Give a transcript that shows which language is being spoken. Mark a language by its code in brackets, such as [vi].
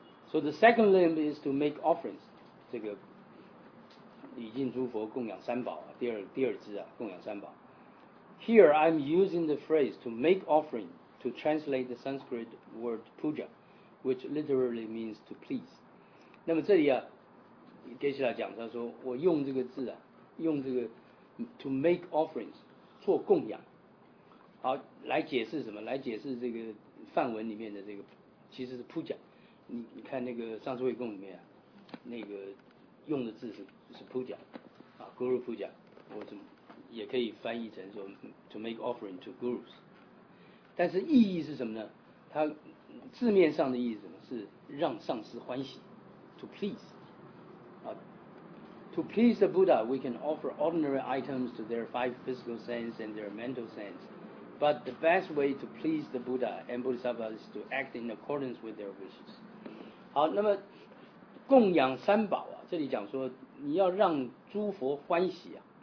[en] So the second limb is to make offerings。 [zh] 这个礼敬诸佛、供养三宝，第二支啊，供养三宝。 [en] Here I'm using the phrase to make offering to translate the Sanskrit word puja, which literally means to please。 [zh] 那么这里啊，接下来讲，他说我用这个字啊，用这个 [en] to make offerings [zh] 做供养，好，来解释什么，来解释这个梵文里面的这个其实是 puja。你看那个上师会供里面啊，那个用的字是 puja 啊， guru puja， 我怎么也可以翻译成说 [en] to make offering to gurus， [zh] 但是意义是什么呢？它字面上的意思是让上师欢喜， [en] to please、to please the Buddha we can offer ordinary items to their five physical sense and their mental sense But the best way to please the Buddha and Bodhisattva is to act in accordance with their wishes. [zh] 好，那么供养三宝啊，这里讲说你要让诸佛欢喜啊。